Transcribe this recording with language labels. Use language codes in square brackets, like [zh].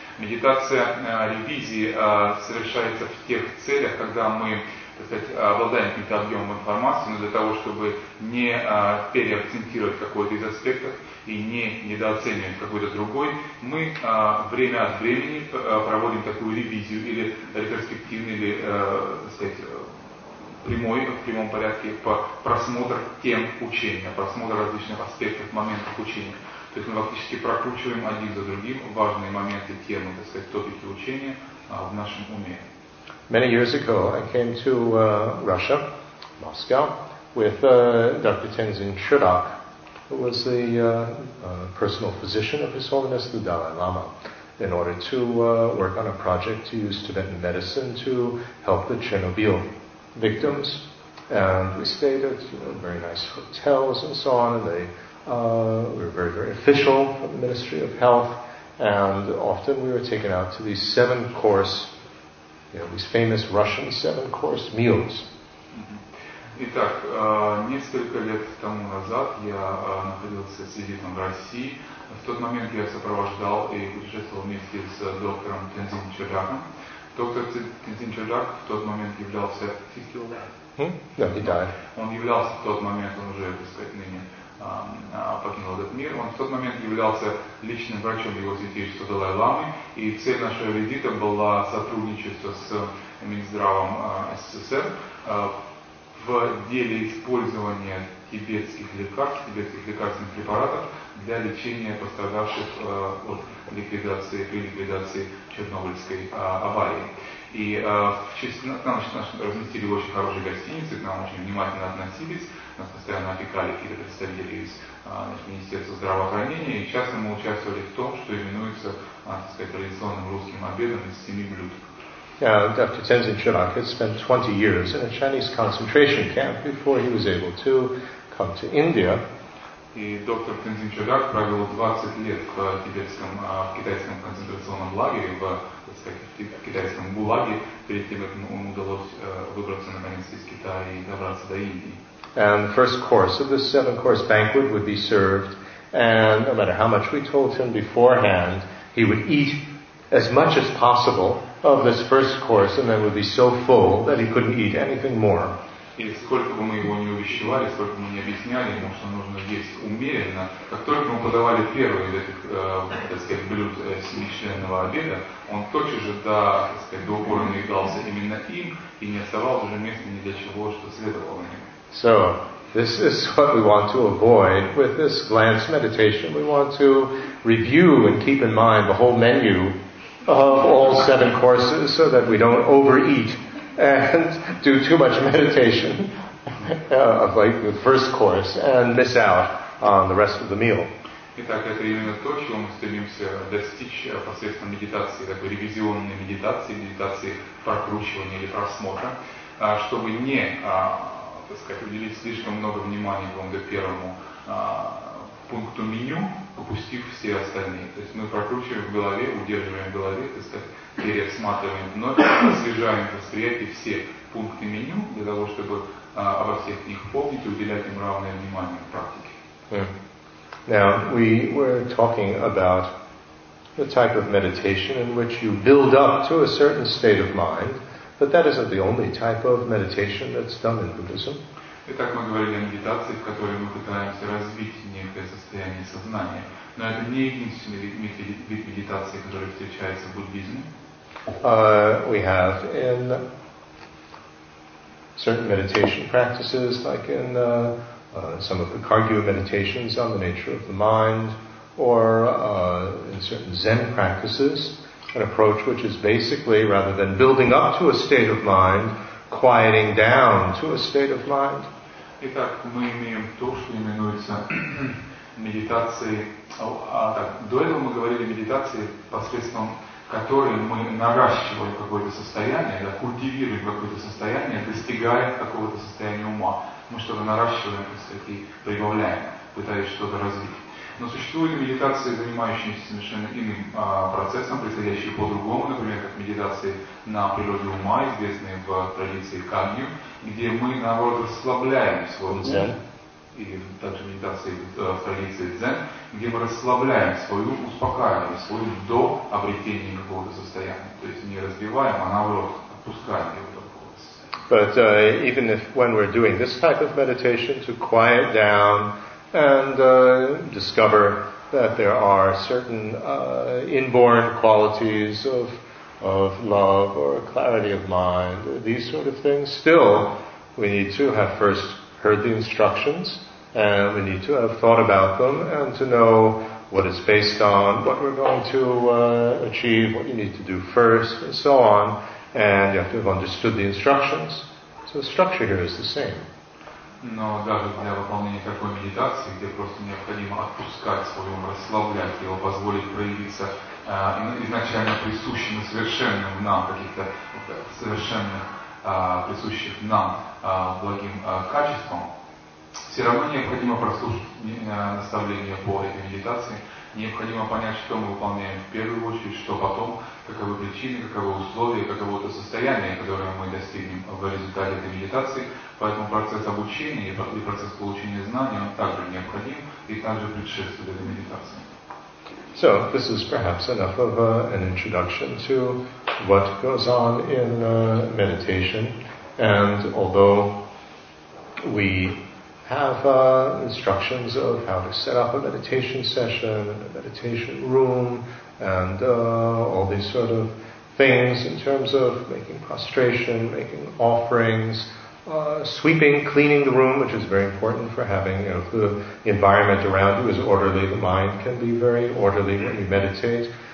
[ru] Медитация ревизии совершается в тех целях, когда мы, так сказать, обладаем каким-то объемом информации, но для того, чтобы не переакцентировать какой-то из аспектов и не недооценивать какой-то другой, мы время от времени проводим такую ревизию или ретроспективный, или, так сказать, прямой, в прямом порядке, просмотр тем учения, просмотр различных аспектов, моментов учения. То есть мы фактически прокручиваем один за другим важные моменты, темы, так сказать, топики учения в нашем уме. [en] Many years ago, I came to Russia, Moscow, with Dr. Tenzin Shirak, who was the personal physician of His Holiness the Dalai Lama, in order to work on a project to use Tibetan medicine to help the Chernobyl victims. And we stayed at very nice hotels and so on, and they were very, very official from the Ministry of Health, and often we were taken out to these seven-course, you know, these famous Russian seven-course meals. [ru] Итак, несколько лет тому назад я находился с визитом в России. В тот момент я сопровождал и путешествовал вместе с доктором Тензин Чердаком. Доктор Тензин Чердак в тот момент являлся... Он являлся в тот момент, он уже, так сказать, ныне покинул этот мир. Он в тот момент являлся личным врачом его святейшества Далай-ламы. И цель нашего визита была сотрудничество с Минздравом СССР в деле использования тибетских лекарств, тибетских лекарственных препаратов для лечения пострадавших от ликвидации, при ликвидации Чернобыльской аварии. И в честь нас разместили в очень хорошей гостинице, к нам очень внимательно относились, нас постоянно опекали какие-то представители из Министерства здравоохранения, и часто мы участвовали в том, что именуется, так сказать, традиционным русским обедом из семи блюд. [en] Dr. Tenzin Chirac had spent 20 years in a Chinese concentration camp before he was able to come to India. [ru] И доктор Тензин Чирак провел 20 лет в тибетском, в китайском концентрационном лагере, в, так сказать, в китайском гулаге, перед тем, как ему удалось выбраться наконец из Китая и добраться до Индии. [en] And the first course of this seven-course banquet would be served, and no matter how much we told him beforehand, he would eat as much as possible of this first course, and then would be so full that he couldn't eat anything more. [ru] И сколько бы мы его не увещевали, сколько мы не объясняли ему, что нужно есть умеренно, как только мы подавали первый из этих, так сказать, блюд семичленного обеда, он тотчас же до упора наедался именно им, и не оставалось уже места ни для чего, что следовало ему. [en] So, this is what we want to avoid with this glance meditation. We want to review and keep in mind the whole menu of all seven courses so that we don't overeat and do too much meditation of like the first course and miss out on the rest of the meal. [ru] Итак, это именно то, чего мы стремимся достичь посредством медитации, такой ревизионной медитации, медитации прокручивания или просмотра, чтобы не, так сказать, уделить слишком много внимания какому-то первому пункту меню, упустив все остальные. То есть мы прокручиваем в голове, удерживаем в голове, так сказать, пересматриваем вновь, освежаем восприятие все пункты меню для того, чтобы обо всех них помнить и уделять им равное внимание в практике. [en] Now, we were talking about the type of meditation in which you build up to a certain state of mind, but that isn't the only type of meditation that's done in Buddhism. [ru] Итак, мы говорили о медитации, в которой мы пытаемся развить некое состояние сознания. Но это не единственный вид медитации, который встречается в буддизме. [en] We have in certain meditation practices, like in some of the Kagyu meditations on the nature of the mind, or in certain Zen practices, an approach which is basically, rather than building up to a state of mind, quieting down to a state of mind. [ru] Итак, мы имеем то, что именуется медитацией. Так, до этого мы говорили о медитации, посредством которой мы наращиваем какое-то состояние, да, культивируем какое-то состояние, достигаем какого-то состояния ума. Мы что-то наращиваем, так сказать, и прибавляем, пытаясь что-то развить. Но существуют медитации, занимающиеся совершенно иным процессом, происходящие по-другому, например, как медитации на природе ума, известные в традиции камью, где мы, наоборот, расслабляем свой ум. И также медитации в традиции дзен, где мы расслабляем свой ум, успокаиваем свой ум до обретения какого-то состояния. То есть не развиваем, а наоборот, отпускаем его. [en] But even if when we're doing this type of meditation, to quiet down and discover that there are certain inborn qualities of love or clarity of mind, or these sort of things, still we need to have first heard the instructions, and we need to have thought about them, and to know what it's based on, what we're going to achieve, what you need to do first, and so on. And you have to have understood the instructions. So the structure here is the same. [ru] Но даже для выполнения такой медитации, где просто необходимо отпускать свой ум, расслаблять его, позволить проявиться изначально присущим и совершенным нам, каких-то совершенных присущих нам благим качествам, все равно необходимо прослушать наставления по этой медитации. Необходимо понять, что мы выполняем в первую очередь, что потом, каковы причины, каковы условия, каково то состояние, которое мы достигнем в результате этой медитации. Поэтому процесс обучения и процесс получения знаний, он также необходим и также предшествует этой медитации. [en] So, this is perhaps enough of an introduction to what goes on in meditation. And although we have instructions of how to set up a meditation session, a meditation room, and all these sort of things in terms of making prostration, making offerings, sweeping, cleaning the room, which is very important for having, you know, if the environment around you is orderly, the mind can be very orderly when you meditate.